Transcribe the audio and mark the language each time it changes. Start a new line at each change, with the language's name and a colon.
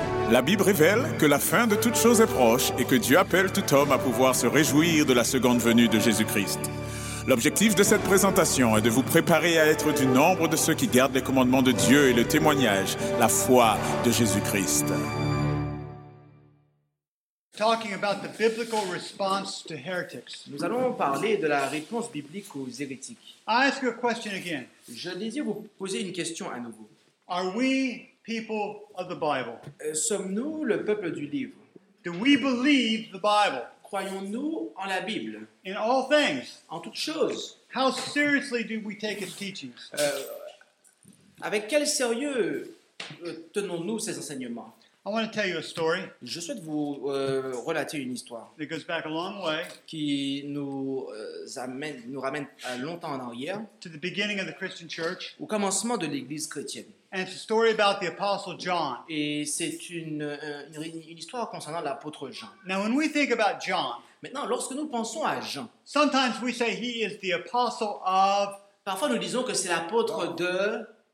French: La Bible révèle que la fin de toutes choses est proche et que Dieu appelle tout homme à pouvoir se réjouir de la seconde venue de Jésus-Christ. L'objectif de cette présentation est de vous préparer à être du nombre de ceux qui gardent les commandements de Dieu et le témoignage, la foi de Jésus-Christ.
English: Talking about the biblical response to heretics.
French: Nous allons parler de la réponse biblique aux hérétiques.
English: I ask you a question again.
French: Je désire vous poser une question à nouveau.
English: Are we people of the Bible?
French: Sommes-nous le peuple du livre?
English: Do we believe the Bible?
French: Croyons-nous en la Bible?
English: In all things.
French: En toutes choses.
English: How seriously do we take its teachings?
French: Avec quel sérieux tenons-nous ses enseignements?
English: I want to tell you a story.
French: Je souhaite vous relater une histoire.
English: It goes back a long way.
French: Qui nous ramène longtemps en arrière.
English: To the beginning of the Christian church.
French: Au commencement de l'Église chrétienne.
English: And it's a story about the apostle John.
French: Et c'est une histoire concernant l'apôtre Jean.
English: Now, when we think about John,
French: maintenant lorsque nous pensons à Jean,
English: sometimes we say he is the apostle of.
French: Parfois nous disons que c'est l'apôtre de.